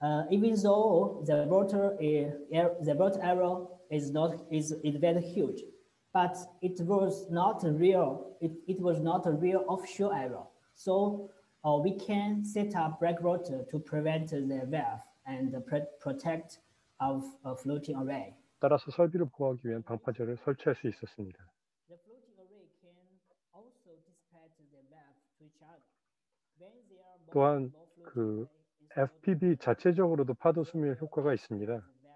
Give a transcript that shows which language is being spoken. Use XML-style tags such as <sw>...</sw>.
<en>Even though the water error is very huge, but it was not real. It was not a real offshore error. So we can set up breakwater to prevent the wave and protect of a floating array.</en> <ko>따라서 설비를 보호하기 위한 방파제를 설치할 수 있었습니다.</ko> <en>The floating array can also dispatch the wave to each other.</en> <ko>또한 그 FPV 자체적으로도 파도 수면 효과가 있습니다.</ko>